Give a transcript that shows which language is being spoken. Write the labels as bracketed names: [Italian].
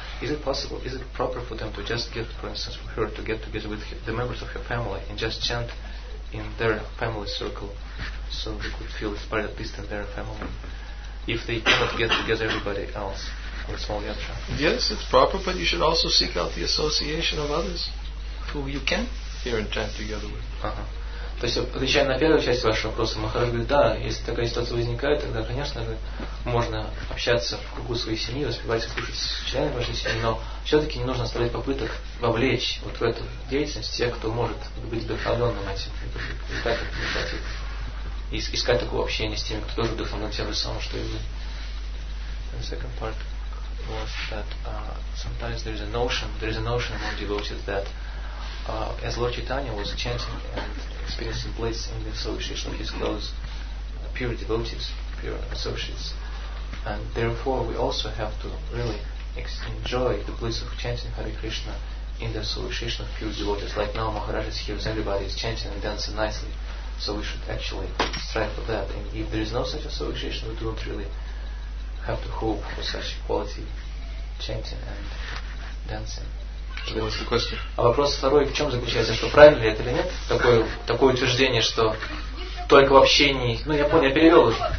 [English] Is it possible, is it proper for them to just get, for instance, for her to get together with the members of her family and just chant in their family circle so they could feel inspired at least in their family? If they cannot get together everybody else, for a small yatra. Yes, it's proper, but you should also seek out the association of others who you can hear and chant together with. [Russian] То есть, отвечая на первую часть вашего вопроса, Махараш говорит, да, если такая ситуация возникает, тогда, конечно, можно общаться в кругу своей семьи, воспевать и слушать с членами вашей семьи, но все-таки не нужно оставлять попыток вовлечь вот в эту деятельность тех, кто может быть вдохновленным этим, и искать такое общение с теми, кто тоже вдохновлен тем же самым, что и вы. [English] And the second part was that sometimes there is a notion among devotees that as Lord Chaitanya was chanting and experiencing bliss in the association of his close pure devotees, pure associates, and therefore we also have to really enjoy the bliss of chanting Hare Krishna in the association of pure devotees. Like now Maharaj is here, everybody is chanting and dancing nicely, so we should actually strive for that. And if there is no such association, we don't really have to hope for such quality chanting and dancing. [Russian] А вопрос второй, в чем заключается, что правильно ли это или нет? Такое утверждение, что только в общении. Ну я понял, я перевел уже.